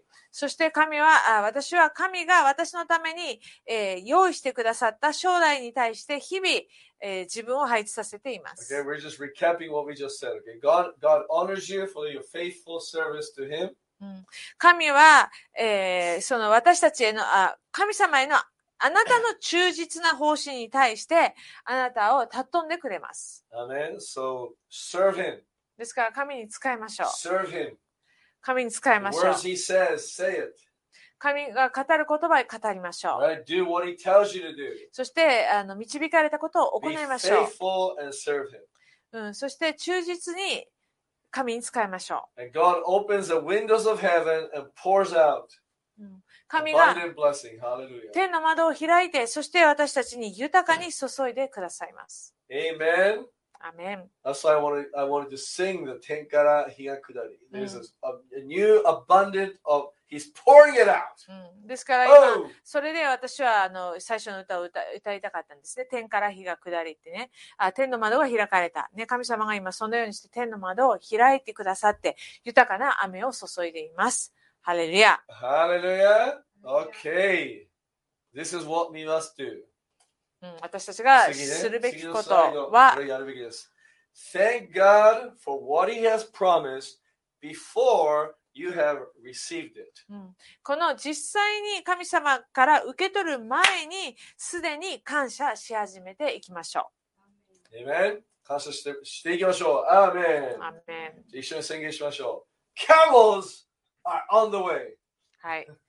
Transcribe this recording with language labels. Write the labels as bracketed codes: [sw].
[ja] そして神は、私は神が私のために、用意してくださった将来に対して日々、自分を配置させています。 [en] Okay, we're just recapping what we just said. Okay, God honors you for your faithful service to Him. [ja] 神は、その私たちへの、あ、神様へのあなたの忠実な奉仕に対してあなたを尊んでくれます。 [en] Amen. So serve Him. [ja] ですから神に仕えましょう。 [en] Serve Him. [ja] 神に使いましょう。 [en] Words he says, say it. [ja] 神が語る言葉を語りましょう。 [en] Right? Do what he tells you to do. [ja] そして導かれたことを行いましょう。 [en] Be faithful and serve him. [ja] そして忠実に神に使いましょう。 [en] And God opens the windows of heaven and pours out. [ja] 神が [en] abundant blessing. Hallelujah. [ja] 天の窓を開いて、そして私たちに豊かに注いでくださいます。 [en] Amen. Amen. That's why I wanted to sing the Tenkara Hiyakudari. There's a new abundant of He's pouring it out. [ja] ですから今、それで私は最初の歌を歌いたかったんですね。天から日が下りってね。あ、天の窓が開かれた。ね、神様が今そのようにして天の窓を開いてくださって豊かな雨を注いでいます。ハレルヤ。 [en] ハレルヤ。Okay. This is what we must do. [ja] 私たちがするべきことは、 [en] Thank God for what He has promised before you have received it. [ja] この実際に神様から受け取る前に、すでに感謝し始めていきましょう。 [en] Amen. [ja] 感謝していきましょう。 [en] Amen. Amen. [ja] 一緒に宣言しましょう。 [en] Camels are on the way. [ja] はい。